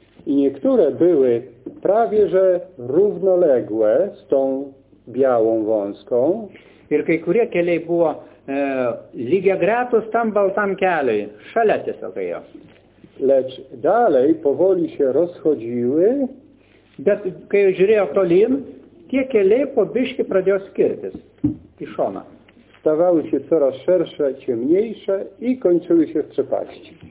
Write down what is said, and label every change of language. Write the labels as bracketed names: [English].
[Polish] I niektóre były prawie że równoległe z tą białą wąską. [Lithuanian] Ir kai kurie keliai buvo lygiagretūs tam baltam keliui, šalia tiesiog ėjo. [Polish] Lecz dalej powoli się rozchodziły. [Lithuanian] Bet kai žiūrėjo tolyn, tie keliai po biški pradėjo skirtis į šoną. [Polish] Stawały się coraz szersze, ciemniejsze i kończyły się w przepaści.